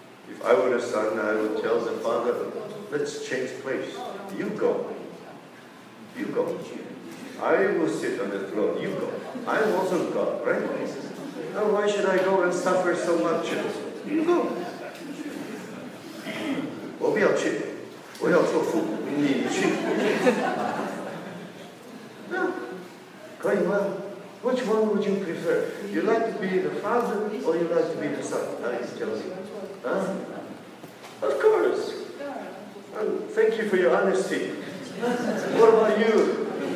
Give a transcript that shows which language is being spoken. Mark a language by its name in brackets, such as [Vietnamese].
[English] If I were a son, I would tell the father, let's change place. You go. You go. I will sit on the throne. You go. I am also God, right? Now why should I go and suffer so much? You go. [Chinese] 我不要去，我要做父，你去。可以吗? [English] Which one would you prefer? You like to be the father or you like to be the son? Now he's telling me. Huh? Of course. Well, thank you for your honesty. What about you?